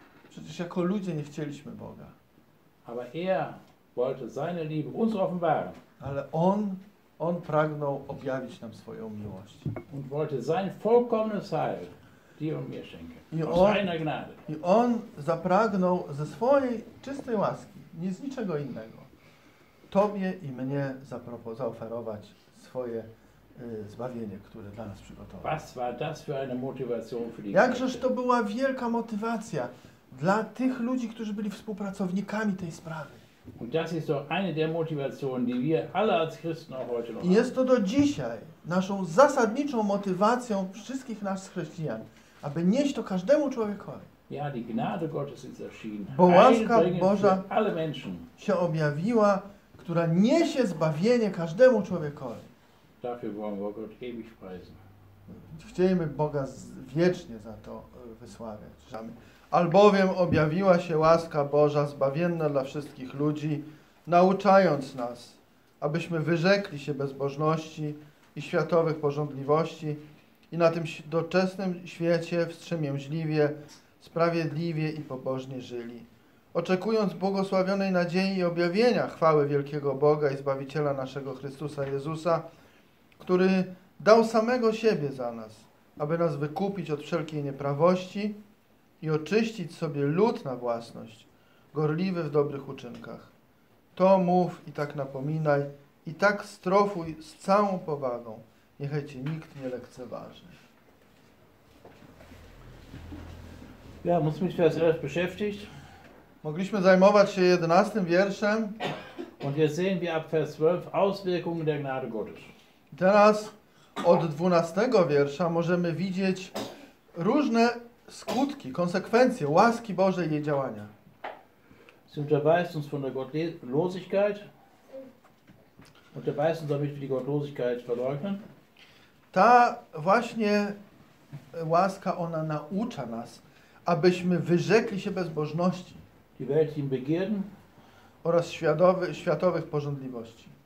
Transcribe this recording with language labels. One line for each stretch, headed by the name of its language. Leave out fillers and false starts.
Polish: Przecież jako ludzie nie chcieliśmy Boga.
German: Aber er wollte seine Liebe uns offenbaren.
Polish: Ale on pragnął objawić nam swoją miłość.
German: Und wollte sein vollkommenes Heil dir und mir schenken.
Polish: I on zapragnął ze swojej czystej łaski, nie z niczego innego, tobie i mnie zaoferować swoje zbawienie, które dla nas przygotował.
German: Was war das für eine Motivation für die
Polish: Jakżeż to była wielka motywacja dla tych ludzi, którzy byli współpracownikami tej sprawy.
German: Und das ist doch eine der Motivationen, die wir alle als Christen auch heute noch haben.
Polish: Jest to do dzisiaj naszą zasadniczą motywacją wszystkich nas chrześcijan, aby nieść to każdemu człowiekowi.
German: Ja, die Gnade Gottes ist erschienen.
Polish: Bo łaska Boża się objawiła, która niesie zbawienie każdemu człowiekowi.
German: Dafür wollen wir Gott ewig preisen.
Polish: Chcielibyśmy Boga wiecznie za to wysławiać. Albowiem objawiła się łaska Boża zbawienna dla wszystkich ludzi, nauczając nas, abyśmy wyrzekli się bezbożności i światowych pożądliwości i na tym doczesnym świecie wstrzemięźliwie, sprawiedliwie i pobożnie żyli, oczekując błogosławionej nadziei i objawienia chwały wielkiego Boga i Zbawiciela naszego Chrystusa Jezusa, który dał samego siebie za nas, aby nas wykupić od wszelkiej nieprawości i oczyścić sobie lud na własność, gorliwy w dobrych uczynkach. To mów i tak napominaj, i tak strofuj z całą powagą. Niechaj cię nikt nie lekceważy. Ja, musimy się teraz
German: beschäftigt.
Polish: Mogliśmy zajmować się 11 wierszem.
German: Und jetzt sehen wir ab Vers 12 Auswirkungen der Gnade Gottes.
Polish: Teraz od 12 wiersza możemy widzieć różne skutki, konsekwencje łaski Bożej i jej działania.
German: Sie unterweist uns von der Gottlosigkeit. Unterweist uns, damit wir die Gottlosigkeit verleugnen.
Polish: Ta właśnie łaska, ona naucza nas, abyśmy wyrzekli się bezbożności.
German: Die Welt im Begierden.
Polish: Oraz światowych pożądliwości.